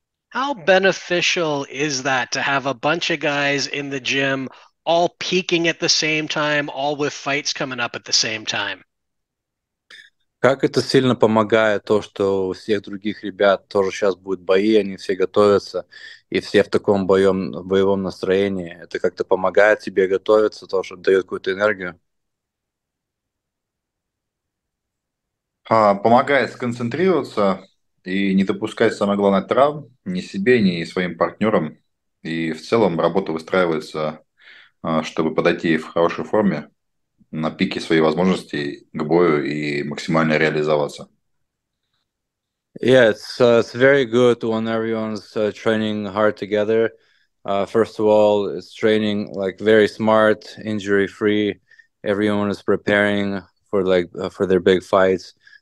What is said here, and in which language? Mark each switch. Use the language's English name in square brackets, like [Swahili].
[English] How beneficial is that to have a bunch of guys in the gym all peaking at the same time, all with fights coming up at the same time? [Russian] Как это сильно помогает, то, что у всех других ребят тоже сейчас будут бои, они все готовятся, и все в таком боевом настроении. Это как-то помогает тебе готовиться, то, что дает какую-то энергию. Помогает сконцентрироваться и не допускать, самое главное, травм ни себе, ни своим партнерам. И в целом работа выстраивается, чтобы подойти в хорошей форме, на пике своей возможности к бою и максимально реализоваться. [English] Yeah, it's very good when everyone's training hard together. First of all, it's training like very smart, injury free. Everyone is preparing for like for their big fights.